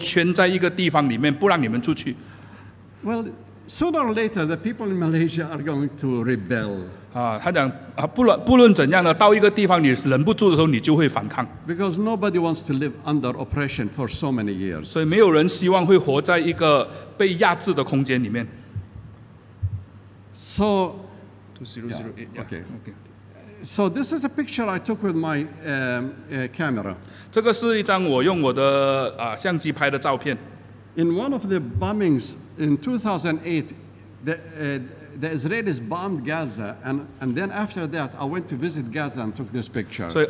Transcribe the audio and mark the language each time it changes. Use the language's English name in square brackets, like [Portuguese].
[Chinese] 所以你想一下，你可以今天想象一下，如果今天有一个仇敌来把马来西亚占领了，然后把你们都圈在一个地方里面，不让你们出去。 [English] Well, sooner or later, the people in Malaysia are going to rebel. [Chinese] 他讲，不论怎样的，到一个地方你忍不住的时候，你就会反抗。 [English] Because nobody wants to live under oppression for so many years. [Chinese] 所以没有人希望会活在一个被压制的空间里面。 [English] So, 2008, yeah, okay. So this is a picture I took with my camera. [Chinese] 这个是一张我用我的相机拍的照片。 [English] In one of the bombings in 2008, the Israelis bombed Gaza, and then after that, I went to visit Gaza and took this picture.